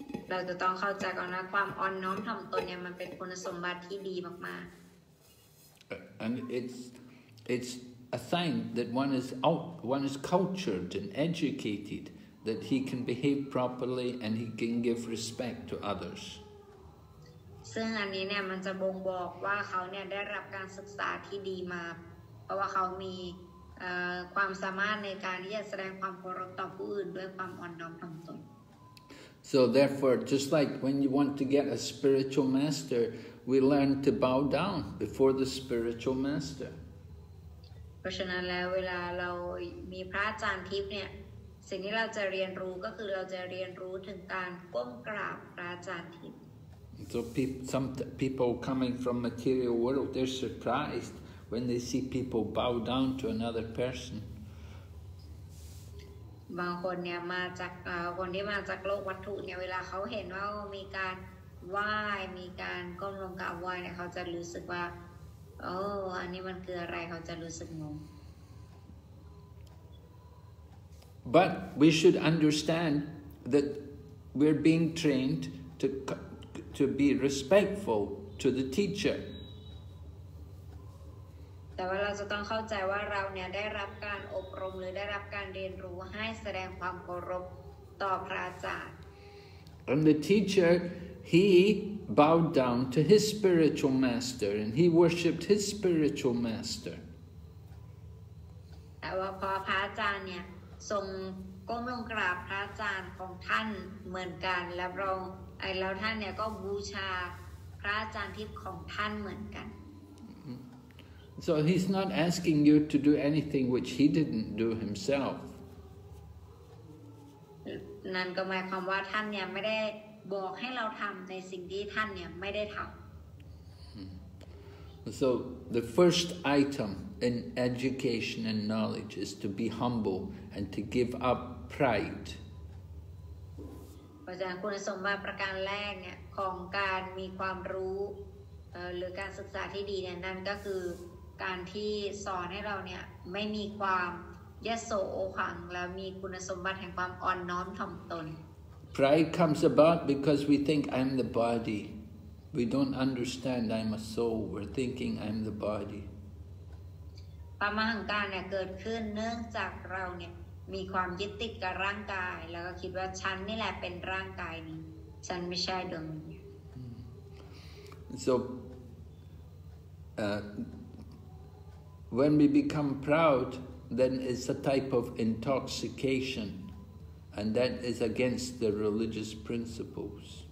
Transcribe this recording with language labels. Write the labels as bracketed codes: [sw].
[th] เราจะต้องเข้าใจก่อนนะความอ่อนน้อมถ่อมตนเนี่ยมันเป็นคุณสมบัติที่ดีมากๆ [en] and it's a sign that one is cultured and educated that he can behave properly and he can give respect to others. [th] ซึ่งอันนี้เนี่ยมันจะบ่งบอกว่าเขาเนี่ยได้รับการศึกษาที่ดีมาเพราะว่าเขามีความสามารถในการที่จะแสดงความเคารพต่อผู้อื่นด้วยความอ่อนน้อมถ่อมตน [en] So therefore just like when you want to get a spiritual master we learn to bow down before the spiritual master. [th] เพราะฉะนั้นแล้วเวลาเรามีพระอาจารย์ทิพย์เนี่ยสิ่งที่เราจะเรียนรู้ก็คือเราจะเรียนรู้ถึงการก้มกราบพระอาจารย์ทิพย์ [en] So people coming from material world they're surprised when they see people bow down to another person [th] บางคนเนี่ยมาจากคนที่มาจากโลกวัตถุเนี่ยเวลาเขาเห็นว่ามีการไหว้มีการก้มลงกราบไหว้เนี่ยเขาจะรู้สึกว่าโอ้อันนี้มันคืออะไรเขาจะรู้สึกงง [en] But we should understand that we're being trained to be respectful to the teacher. [th] แต่ว่าเราจะต้องเข้าใจว่าเราเนี่ยได้รับการอบรมหรือได้รับการเรียนรู้ให้แสดงความเคารพต่อพระอาจารย์ [en] And the teacher, he bowed down to his spiritual master and he worshipped his spiritual master. [th] แต่ว่าพอพระอาจารย์เนี่ยทรงก้มลงกราบพระอาจารย์ของท่านเหมือนกันแล้วเราไอ้แล้วท่านเนี่ยก็บูชาพระอาจารย์ทิพย์ของท่านเหมือนกัน [en] So he's not asking you to do anything which he didn't do himself [th] นั่นก็หมายความว่าท่านเนี่ยไม่ได้บอกให้เราทําในสิ่งที่ท่านเนี่ยไม่ได้ทํา [en] So the first itemIn education and knowledge is to be humble and to give up pride. [th] ประจานคุณสมบัติประการแรกเนี่ยของการมีความรู้หรือการศึกษาที่ดีเนี่ยนั่นก็คือการที่สอนให้เราเนี่ยไม่มีความยโสโอหังแล้วมีคุณสมบัติแห่งความอ่อนน้อมถ่อมตน [en] Pride comes about because we think I'm the body. We don't understand I'm a soul. We're thinking I'm the body. [th] ความหังการเนี่ยเกิดขึ้นเนื่องจากเราเนี่ยมีความยึดติดกับร่างกายแล้วก็คิดว่าฉันนี่แหละเป็นร่างกายนี้ฉันไม่ใช่ดวงวิญญา [en] ณ so when we become proud then it's a type of intoxication and that is against the religious principles